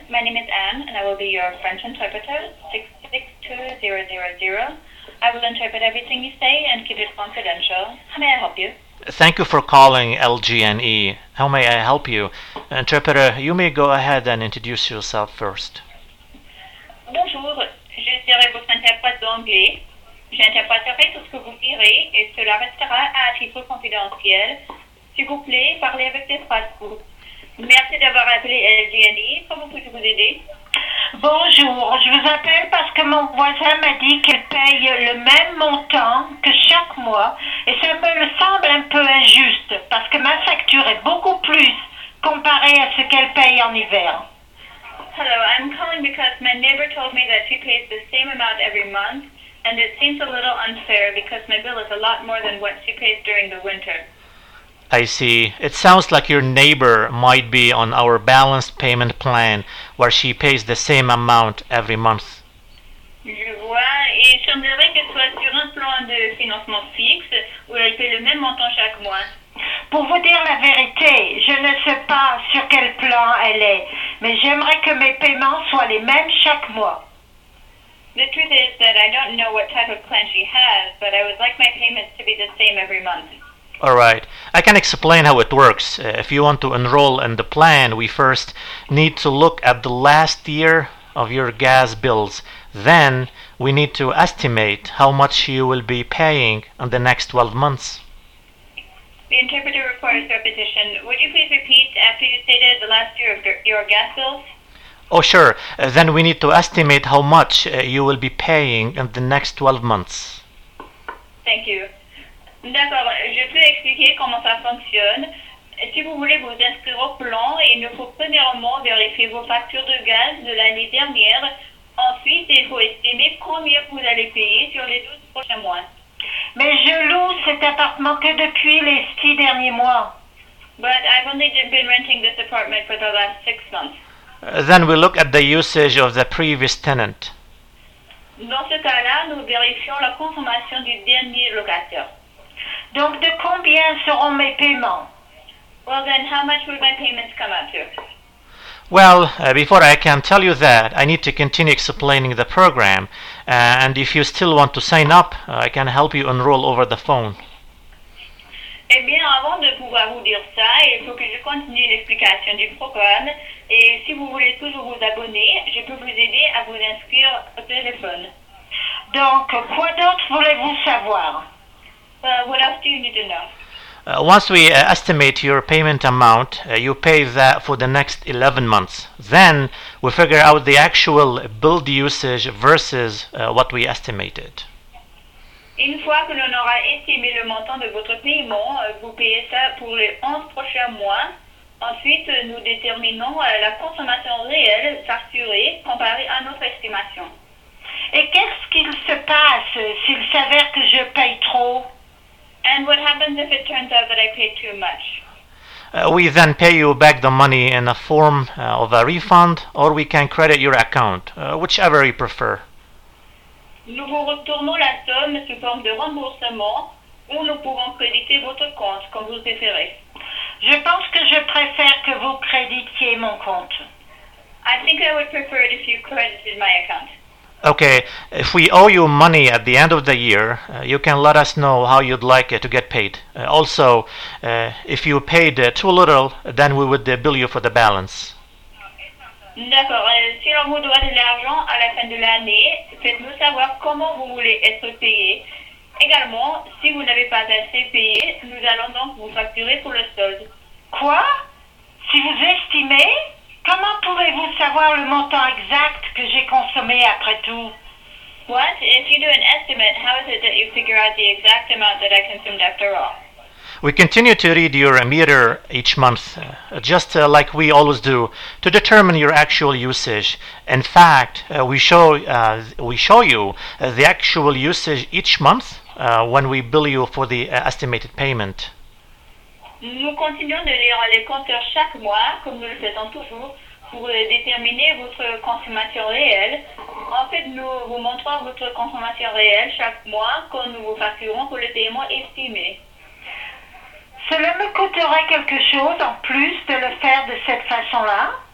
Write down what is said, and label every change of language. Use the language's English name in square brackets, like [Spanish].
[English] My name is Anne, and I will be your French interpreter, 662-000. I will interpret everything you say and keep it confidential. How may I help you? Thank you for calling LGNE. How may I help you? Interpreter, you may go ahead and introduce yourself first. [French] Bonjour. Je serai votre interprète d'anglais. J'interpréterai tout ce que vous direz et cela restera à titre confidentiel. S'il vous plaît, parlez avec des phrases courtes. Merci d'avoir appelé LGNE. Comment puis-je vous aider? Bonjour, je vous appelle parce que mon voisin m'a dit qu'il paye le même montant que chaque mois et ça me le semble un peu injuste parce que ma facture est beaucoup plus comparée à ce qu'elle paye en hiver. [English] Hello, I'm calling because my neighbor told me that she pays the same amount every month and it seems a little unfair because my bill is a lot more than what she pays during the winter. I see. It sounds like your neighbor might be on our balanced payment plan, where she pays the same amount every month. [French] Je vois, et semblerait qu'elle soit sur un plan de financement fixe, où elle paye le même montant chaque mois. Pour vous dire la vérité, je ne sais pas sur quel plan elle est, mais j'aimerais que mes paiements soient les mêmes chaque mois. [English] The truth is that I don't know what type of plan she has, but I would like my payments to be the same every month. All right. I can explain how it works. If you want to enroll in the plan, we first need to look at the last year of your gas bills. Then we need to estimate how much you will be paying in the next 12 months. The interpreter requires repetition. Would you please repeat after you stated the last year of your gas bills? Oh, sure. Then we need to estimate how much you will be paying in the next 12 months. Thank you. [French] D'accord, je peux expliquer comment ça fonctionne. Si vous voulez vous inscrire au plan, il nous faut premièrement vérifier vos factures de gaz de l'année dernière. Ensuite, il faut estimer combien vous allez payer sur les 12 prochains mois. Mais je loue cet appartement que depuis les 6 derniers mois. [English] But I've only been renting this apartment for the last 6 months. Then we look at the usage of the previous tenant. [French] Dans ce cas-là, nous vérifions la consommation du dernier locataire. Donc, de combien seront mes paiements? [English] Well, then, how much will my payments come up to? Well, before I can tell you that, I need to continue explaining the program. And if you still want to sign up, I can help you enroll over the phone. [French] Eh bien, avant de pouvoir vous dire ça, il faut que je continue l'explication du programme. Et si vous voulez toujours vous abonner, je peux vous aider à vous inscrire au téléphone. Donc, quoi d'autre voulez-vous savoir? [English] What else do you need to know? Once we estimate your payment amount, you pay that for the next 11 months. Then we figure out the actual bill usage versus what we estimated. [French] Une fois que l'on aura estimé le montant de votre paiement, vous payez ça pour les 11 prochains mois. Ensuite, nous déterminons la consommation réelle facturée comparée à notre estimation. Et qu'est-ce qu'il se passe s'il s'avère que je paye trop? [English] And what happens if it turns out that I pay too much? We then pay you back the money in a form of a refund, or we can credit your account, whichever you prefer. [French] Nous vous retournons la somme sous forme de remboursement, ou nous pouvons créditer votre compte, comme vous préférez. Je pense que je préfère que vous créditiez mon compte. [English] I think I would prefer it if you credited my account. Okay, if we owe you money at the end of the year, you can let us know how you'd like to get paid. Also, if you paid too little, then we would bill you for the balance. [French] D'accord. Si l'on vous doit de l'argent à la fin de l'année, faites-nous savoir comment vous voulez être payé. Également, si vous n'avez pas assez payé, nous allons donc vous facturer pour le solde. Quoi? Si vous estimez? Comment pouvez-vous savoir le montant exact que j'ai consommé après tout? [English] What? If you do an estimate, how is it that you figure out the exact amount that I consumed after all? We continue to read your meter each month, just like we always do, to determine your actual usage. In fact, we show you the actual usage each month when we bill you for the estimated payment. [French] Nous continuons de lire les compteurs chaque mois, comme nous le faisons toujours, pour déterminer votre consommation réelle. En fait, nous vous montrons votre consommation réelle chaque mois quand nous vous facturons pour le paiement estimé. Cela me coûterait quelque chose en plus de le faire de cette façon-là?